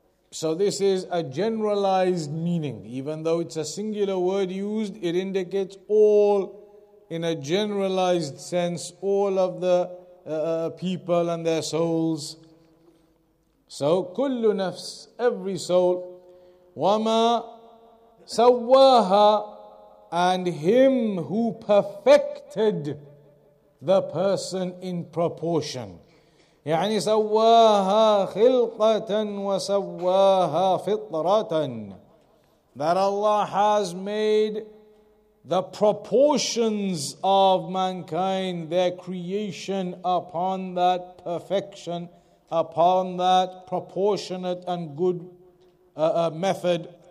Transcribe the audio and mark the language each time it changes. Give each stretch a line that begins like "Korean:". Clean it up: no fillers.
English: So this is a generalized meaning. Even though it's a singular word used, it indicates all in a generalized sense, all of the people and their souls. So
Arabic: kullu nafs,
English: every soul.
Arabic: Wama sawaha,
English: and him who perfected the person in proportion.
Arabic: يعني سواها خلقة وسواها فطرة.
English: That Allah has made the proportions of mankind, their creation, upon that perfection, upon that proportionate and good method.